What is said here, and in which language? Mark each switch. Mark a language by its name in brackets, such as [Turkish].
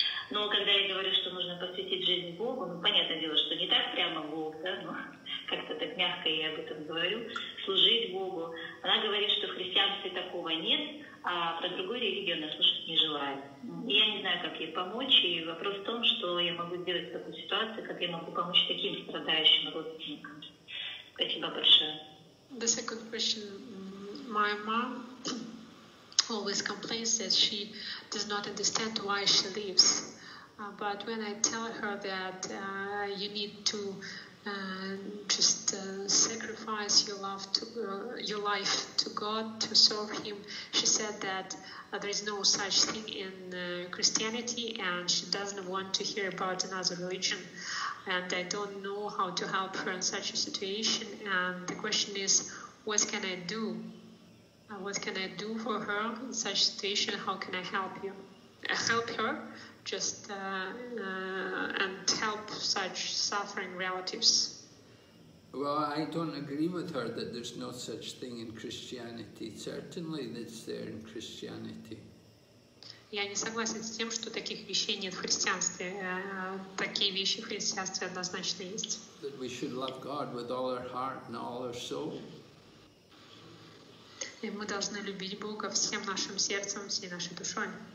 [Russian] Но когда я говорю, что нужно посвятить жизнь Богу, ну, понятное дело, что не так прямо Бог, да, но как-то так мягко я об этом говорю, служить Богу. Она говорит, что в христианстве такого нет, а про другую религию она слушать не желает. И я не знаю, как ей помочь, и вопрос в том, что я могу сделать в такой ситуации, как я могу помочь таким страдающим родственникам. Спасибо большое. [English] The second question, my mom always complains that she does not understand why she lives. But when I tell her that you need to just sacrifice your love to your life to God to serve Him, she said that there is no such thing in Christianity, and she doesn't want to hear about another religion. And I don't know how to help her in such a situation. And the question is, what can I do? What can I do for her in such situation? How can I help you? Help her, just and help such suffering relatives. Well, I don't agree with her that there's no such thing in Christianity. Certainly, it's there in Christianity. [Russian] Я не согласен с тем, что таких вещей нет в христианстве. Такие вещи в христианстве однозначно есть. [English] That we should love God with all our heart and all our soul. [Russian] И мы должны любить Бога всем нашим сердцем, всей нашей душой.